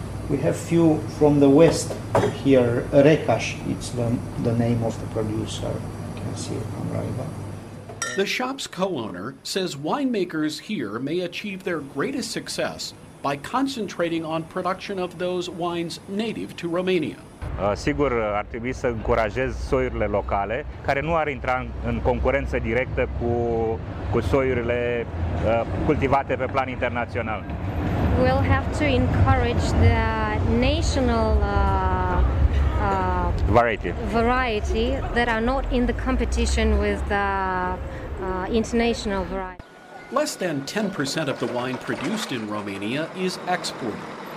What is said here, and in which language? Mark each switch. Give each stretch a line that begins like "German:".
English: We have few from the west here, Recaș, it's the name of the producer. You can see it on Riva. The shop's co-owner says winemakers here may achieve their greatest success by concentrating on production of those wines native to Romania.
Romanian: Sigur, ar trebui să încurajez soiurile locale, care nu ar intra în concurență directă cu soiurile cultivate pe plan internațional.
English: We'll have to encourage the national variety that are not in the competition with the international variety. Less than 10% of the wine produced in Romania is exported.